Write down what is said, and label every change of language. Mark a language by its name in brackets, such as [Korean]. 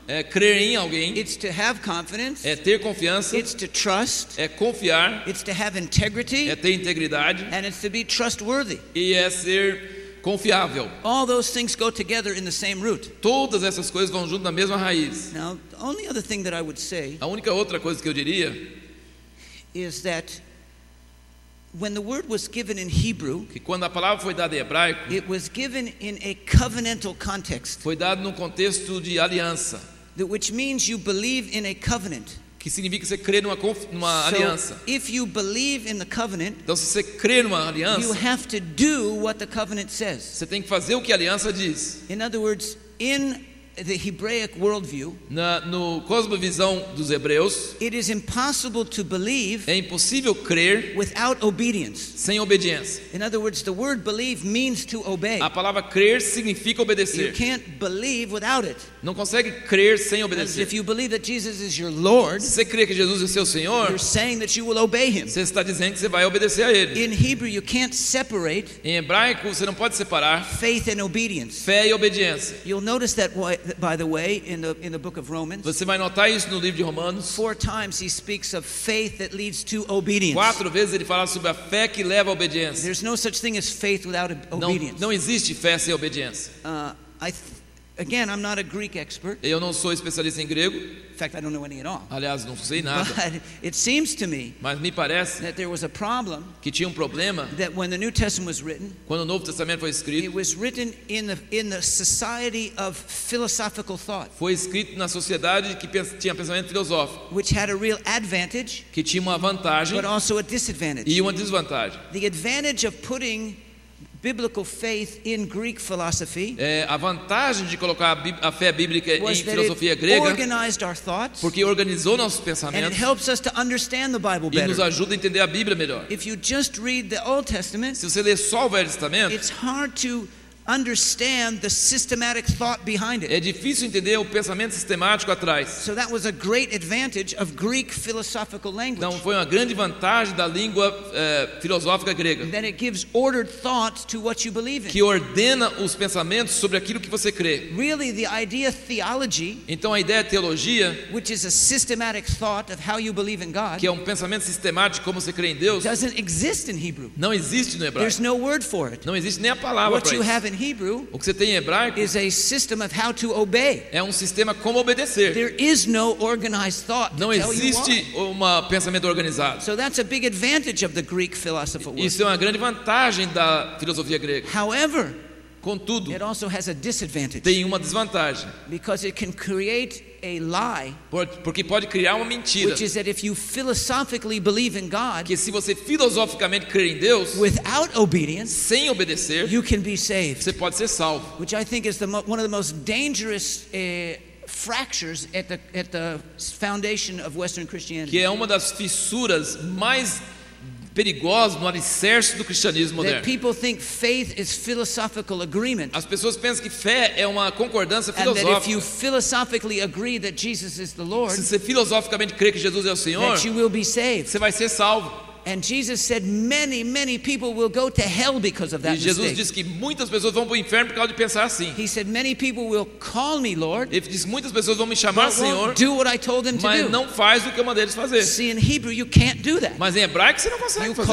[Portuguese] É crer em alguém. [English] It's to have confidence. [Portuguese] É ter confiança. [English] It's to trust. [Portuguese] É confiar. [English] It's to have integrity. [Portuguese] É ter integridade. [English] And it's to be trustworthy. [Portuguese] E é ser confiável. [English] All those things go together in the same root. [Portuguese] Todas essas coisas vão junto na mesma raiz. [English] Now, the only other thing that I would say, [Portuguese] a única outra coisa que eu diria, [English] is that when the word was given in Hebrew, [Portuguese] que quando a palavra foi dada em hebraico, [English] it was given in a covenantal context. [Portuguese] Foi dado num contexto de aliança. [English] That which means you believe in a covenant. [Portuguese] Que significa que você crê numa [English] so, [Portuguese] aliança. [English] If you believe in the covenant, [Portuguese] então, se você crê numa aliança, [English] you have to do what the covenant says. [Portuguese] Você tem que fazer o que a aliança diz. [English] In other words, in the Hebraic worldview, [Portuguese] no cosmovisão dos hebreus, [English] it is impossible to believe, [Portuguese] é impossível crer, [English] without obedience. [Portuguese] Sem obediência. [English] In other words, the word believe means to obey. [Portuguese] A palavra crer significa obedecer. [English] You can't believe without it. [Portuguese] Não consegue crer sem obedecer. [English] If you believe that Jesus is your Lord, [Portuguese] se você crer que Jesus é seu Senhor, [English] you're saying that you will obey him. [Portuguese] Você está dizendo que você vai obedecer a ele. [English] In Hebrew, you can't separate, [Portuguese] em hebraico você não pode separar, [English] faith and obedience. [Portuguese] Fé e obediência. [English] You'll notice that why, by the way, in the book of Romans, [Portuguese] você vai notar isso no livro de Romanos, [English] four times he speaks of faith that leads to obedience. [Portuguese] Quatro vezes ele fala sobre a fé que leva à obediência. [English] There's no such thing as faith without obedience. [Portuguese] Não existe fé sem obediência. [English] Again, I'm not a Greek expert. [Portuguese] Eu não sou especialista em grego. [English] In fact, I don't know any at all. [Portuguese] Aliás, não sei nada. [English] But it seems to me, [Portuguese] mas me parece, [English] that there was a problem, [Portuguese] que tinha problema, [English] that when the New Testament was written, [Portuguese] quando o Novo Testamento foi escrito, [English] it was written in the society of philosophical thought, [Portuguese] foi escrito na sociedade que tinha pensamento filosófico, [English] which had a real advantage, [Portuguese] que tinha uma vantagem, [English] but also a disadvantage, [Portuguese] e uma desvantagem. [English] The advantage of putting biblical faith in Greek philosophy. [Portuguese] A vantagem de colocar a fé bíblica em filosofia grega. [English] Organized our thoughts. [Portuguese] Porque organizou nossos pensamentos. [English] And it helps us to understand the Bible better. [Portuguese] E nos ajuda a entender a Bíblia melhor. [English] If you just read the Old Testament, [Portuguese] se você ler só o Velho Testamento, [English] it's hard to understand the systematic thought behind it. [Portuguese] É difícil entender o pensamento sistemático atrás. [English] So that was a great advantage of Greek philosophical language. [Portuguese] Então foi uma grande vantagem da língua filosófica grega. [English] That it gives ordered thoughts to what you believe in. [Portuguese] Que ordena os pensamentos sobre aquilo que você crê. [English] Really, the idea theology. [Portuguese] Então a ideia teologia, [English] which is a systematic thought of how you believe in God. [Portuguese] Que é pensamento sistemático como você crê em Deus. [English] Doesn't exist in Hebrew. [Portuguese] Não existe no hebraico. [English] There's no word for it. [Portuguese] Não existe nem a palavra para isso. [English] In in Hebrew, [Portuguese] o que você tem em hebraico, [English] is a system of how to obey. [Portuguese] É um sistema como obedecer. [English] There is no organized thought. [Portuguese] Não existe um pensamento organizado. [English] So that's a big advantage of the Greek philosopher. [Portuguese] Isso é uma grande vantagem da filosofia grega. [English] However, [Portuguese] contudo, [English] it also has a disadvantage. [Portuguese] Tem uma desvantagem. [English] Because it can create a lie, [Portuguese] porque pode criar uma mentira, [English] which is that if you philosophically believe in God, [Portuguese] que se você filosoficamente crer em Deus, [English] without obedience, [Portuguese] sem obedecer, [English] you can be saved. [Portuguese] Você pode ser salvo. [English] Which I think is one of the most dangerous fractures at the foundation of Western Christianity. [Portuguese] Que é uma das fissuras mais perigosas no alicerce do cristianismo moderno. [English] That people think faith is philosophical agreement. [Portuguese] As pessoas pensam que fé é uma concordância filosófica. [English] And that if you philosophically agree that Jesus is the Lord, [Portuguese] se você filosoficamente crê que Jesus é o Senhor, [English] that you will be saved. [Portuguese] Você vai ser salvo. [English] And Jesus said many, many people will go to hell because of that mistake. [Portuguese] E Jesus disse que muitas pessoas vão para o inferno por causa de pensar assim. [English] He said many people will call me Lord. [Portuguese] Ele disse muitas pessoas vão me chamar Senhor. [English] Do what I told them to [Portuguese] mas [English] do. [Portuguese] Mas não faz o que eu mandei eles fazer. [English] See, in Hebrew you can't do that. [Portuguese] Mas em hebraico você não consegue fazer isso.